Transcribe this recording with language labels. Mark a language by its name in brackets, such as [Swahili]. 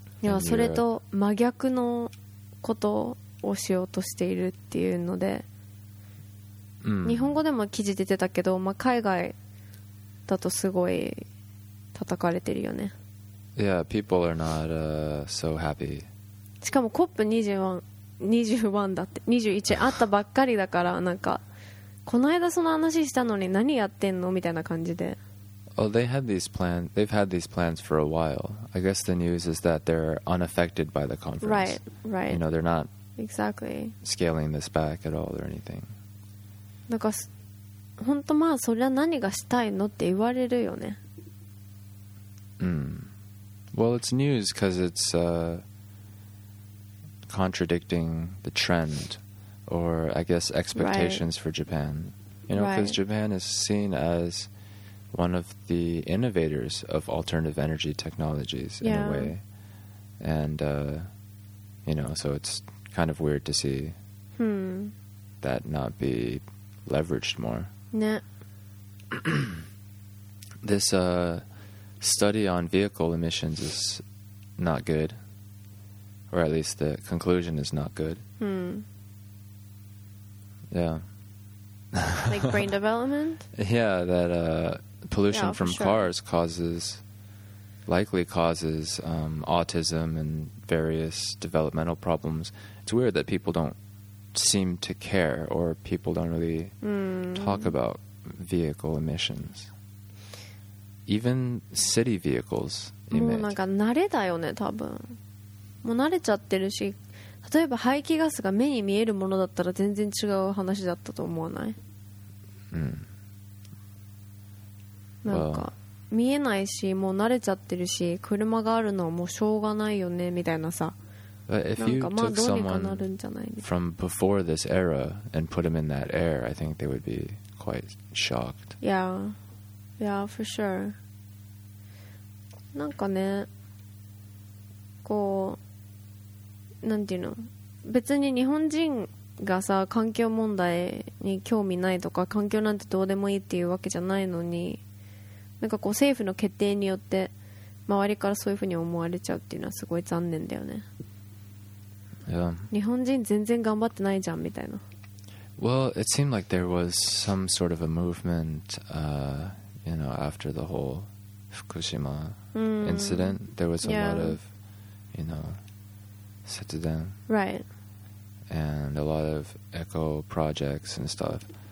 [Japanese] いや、それと真逆のことをしようとしているっていうので、日本語でも記事出てたけど、まあ、海外だとすごい叩かれてるよね。 [English] Yeah, people are not so happy. [Japanese] しかも COP21 だって21あったばっかりだから、なんかこの間その話したのに何やってんのみたいな感じで。 [English] Oh, they had these plans. They've had these plans for a while. I guess the news is that they're unaffected by the conference. Right, right. You know, they're not exactly scaling this back at all or anything. [Japanese] なんか本当まあそれは何がしたいのって言われるよね。 [English] Well, it's news because it's contradicting the trend. Or I guess expectations right. for Japan, you know, because right. Japan is seen as one of the innovators of alternative energy technologies yeah. in a way, and you know, so it's kind of weird to see that not be leveraged more. Nah. This study on vehicle emissions is not good, or at least the conclusion is not good. Yeah. Like brain development? Yeah, that pollution yeah, from sure. cars causes autism and various developmental problems. It's weird that people don't seem to care or people don't really talk about vehicle emissions. Even city vehicles emit. [Japanese] もうなんか慣れだよね、多分。もう慣れちゃってるし。例えば排気ガスが目に見えるものだったら全然違う話だったと思わない？なんか見えないし、もう慣れちゃってるし、車があるのはもうしょうがないよねみたいなさ。なんかまあどうにかなるんじゃない？ [English] From before this era and put them in that era, I think they would be quite quite shocked. Yeah. Yeah, for sure. [Japanese] なんかね、こう、なんていうの、別に日本人がさ、環境問題に興味ないとか、環境なんてどうでもいいっていうわけじゃないのに、なんかこう政府の決定によって周りからそういうふうに思われちゃうっていうのはすごい残念だよね。 [English] Yeah. [Japanese] 日本人全然頑張ってないじゃんみたいな。 [English] Well, it seemed like there was some sort of a movement, you know, after the whole Fukushima incident. There was a lot of, you know, Setsuden. Right. And a lot of eco projects and stuff.